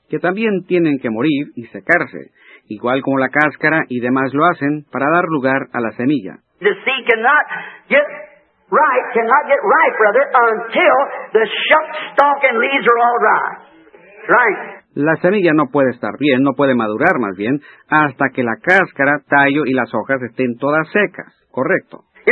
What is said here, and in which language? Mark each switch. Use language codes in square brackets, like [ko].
[es] Que también tienen que morir y secarse, igual como la cáscara y demás lo hacen para dar lugar a la semilla. [en] The seed cannot get ripe, rather, until the shuck, stalk, and leaves are all dry. Right. [es] La semilla no puede estar bien, no puede madurar más bien, hasta que la cáscara, tallo y las hojas estén todas secas. Correcto.